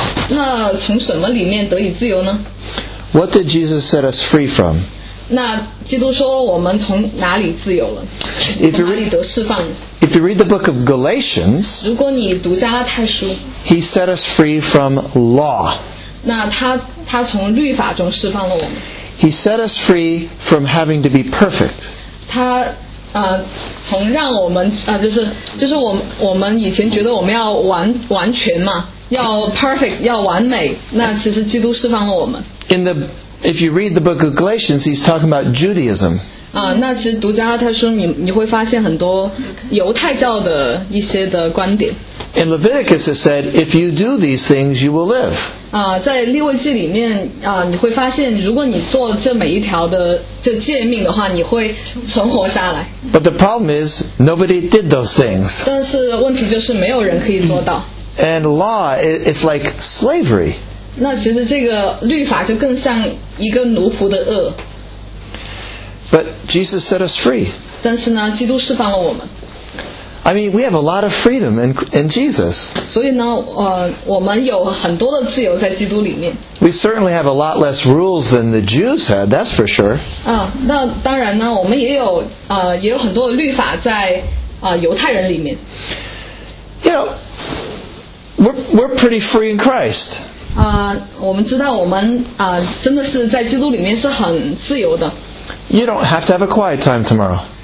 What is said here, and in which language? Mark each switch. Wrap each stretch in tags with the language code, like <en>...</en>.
<zh>那从什么里面得以自由呢？</zh> <en>What did Jesus set us free from?</en> <zh>那基督说我们从哪里自由了？从哪里得释放</zh> <en>？If you read the book of Galatians,</en> <zh>如果你读加拉太书</zh> <en>，He set us free from law.</en> <zh>那他从律法中释放了我们。</zh> <en>He set us free from having to be perfect.</en> <zh>他从让我们就是我们以前觉得我们要完全嘛，要 perfect， 要完美。那其实基督释放了我们。</zh> <en>If you read the book of Galatians, he's talking about Judaism.</en> <zh>那其实读加拉太书，你会发现很多犹太教的一些的观点。</zh> <en>In Leviticus, it said, "If you do these things, you will live."</en> <zh>在利未记里面你会发现，如果你做这每一条的这诫命的话，你会存活下来。</zh> <en>But the problem is, nobody did those things.</en> <zh>但是问题就是没有人可以做到。</zh> <en>And law, it's like slavery.</en> <zh>那其实这个律法就更像一个奴仆的恶。</zh> <en>But Jesus set us free.</en> <zh>但是呢，基督释放了我们。</zh> <en>I mean, we have a lot of freedom in Jesus.</en> <zh>所以呢，我们有很多的自由在基督里面。</zh> <en>We certainly have a lot less rules than the Jews had, that's for sure.</en> <zh>啊，那当然呢，我们也有也有很多的律法在犹太人里面。</zh> <en>You know, we're pretty free in Christ.</en> <zh>啊，我们知道我们真的是在基督里面是很自由的。</zh> <en>You don't have to have a quiet time tomorrow.</en>